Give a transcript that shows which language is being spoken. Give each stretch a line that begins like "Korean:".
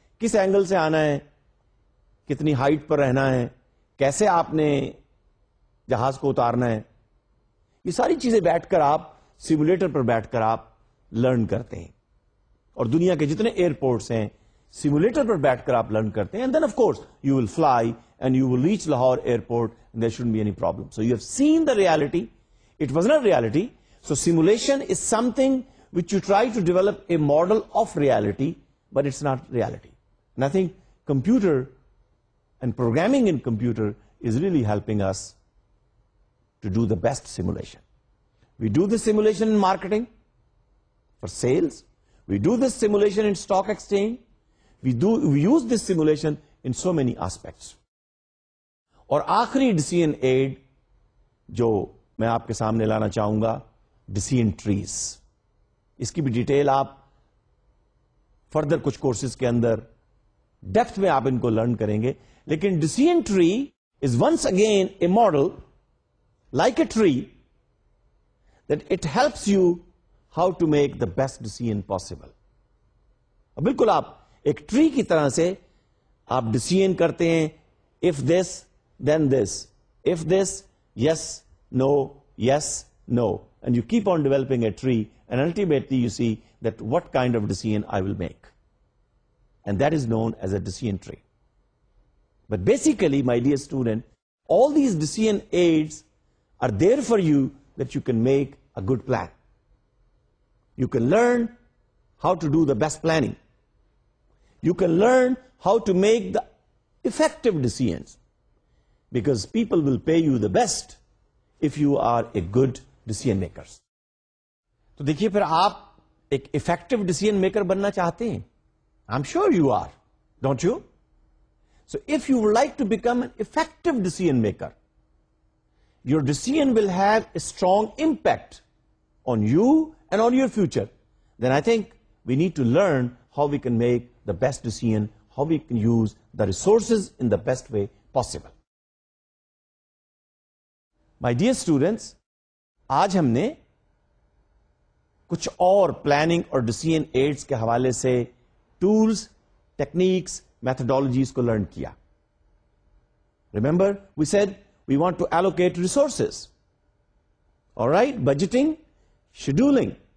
Urdu: کس اینگل سے آنا ہے, کتنی ہائٹ پر رہنا ہے, کیسے آپ نے جہاز کو اتارنا ہے, یہ ساری چیزیں بیٹھ کر آپ سیمولیٹر پر بیٹھ کر آپ لرن کرتے ہیں. اور دنیا کے جتنے ایئرپورٹس ہیں سیمولیٹر پر بیٹھ کر آپ لرن کرتے ہیں.
English: And then of course you will fly and you will reach Lahore airport and there shouldn't be any problem. So you have seen the reality. It was not reality. So simulation is something which you try to develop a model of reality, but it's not reality. And I think computer and programming in computer is really helping us to do the best simulation. We do the simulation in marketing for sales. We do this simulation in stock exchange. We use this simulation in so many aspects.
Urdu: اور آخری decision add جو میں آپ کے سامنے لانا چاہوں گا, decision trees. اس کی بھی ڈیٹیل آپ فردر کچھ کورسز کے اندر ڈیپتھ میں آپ ان کو لرن کریں گے.
English: لیکن decision tree is once again a model like a tree that it helps you how to make the best decision possible.
Urdu: بالکل آپ ایک ٹری کی طرح سے آپ ڈیسیژن کرتے ہیں,
English: if this then this, if this, yes, no,
Urdu: yes, no.
English: And you keep on developing a tree and ultimately you see that what kind of decision I will make. And that is known as a decision tree. But basically, my dear student, all these decision aids are there for you that you can make a good plan. You can learn how to do the best planning. You can learn how to make the effective decisions, because people will pay you the best if you are a good decision maker.
Urdu: تو دیکھیے پھر آپ ایک effective decision maker بننا چاہتے ہیں.
English: I am sure you are, don't you? So if you would like to become an effective decision maker, your decision will have a strong impact on you and on your future, then I think we need to learn how we can make the best decision, how we can use the resources in the best way possible.
Urdu: My dear students, آج ہم نے کچھ اور planning اور decision AIDS کے حوالے سے tools, techniques, methodologies کو لرن کیا.
English: Remember we said we want to allocate resources, all right, budgeting, scheduling.